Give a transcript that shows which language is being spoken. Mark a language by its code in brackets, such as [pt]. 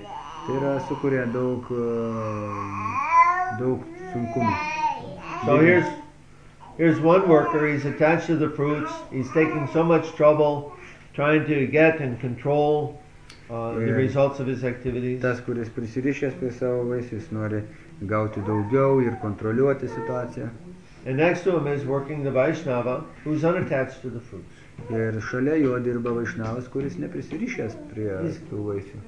[lt] Tai yra sukuria daug daug sunkumų. [en] So here's one worker, he's attached to the fruits, he's taking so much trouble trying to get and control the results of his activities. [lt] Tas, kuris prisirišęs prie savo vaisius, nori gauti daugiau ir kontroliuoti situaciją. [en] And next to him is working the Vaishnava, who's unattached to the fruits. [lt] Ir šalia jo dirba Vaishnavas, kuris neprisirišęs prie tų vaisių.